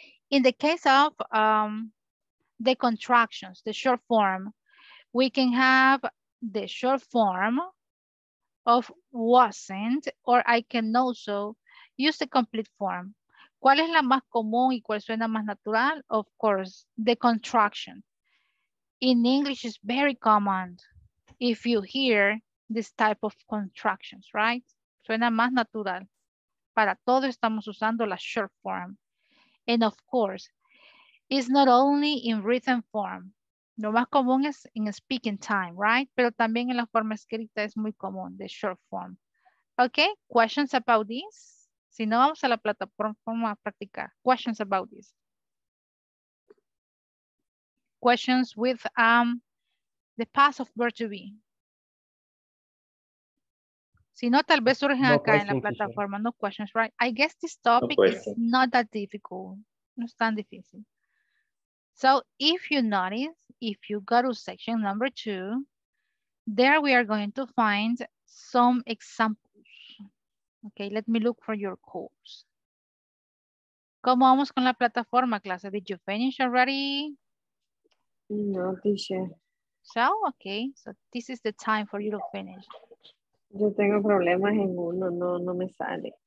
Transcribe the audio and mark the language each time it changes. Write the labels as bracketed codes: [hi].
[en] In the case of the contractions, the short form, we can have the short form of wasn't, or I can also use the complete form. [es] ¿Cuál es la más común y cuál suena más natural? [en] Of course, the contraction. In English, it's very common if you hear this type of contractions, right? [es] Suena más natural. Para todo estamos usando la [en] short form. And of course, it's not only in written form. [es] Lo más común es [en] in speaking time, right? [es] Pero también en la forma escrita es muy común, [en] the short form. Okay, questions about this? [es] Si no, vamos a la plataforma a practicar. [en] Questions about this. Questions with the past of verb to be. [es] Si no, tal vez surgen acá en la plataforma. [en] No questions, right? I guess this topic is not that difficult. [es] No es tan difícil. [en] So if you notice, if you go to section number 2, there we are going to find some examples. Okay, let me look for your course. [es] ¿Cómo vamos con la plataforma, clase? [en] Did you finish already? No, teacher. So, okay, so this is the time for you to finish. [es] Yo tengo problemas en uno, no me sale.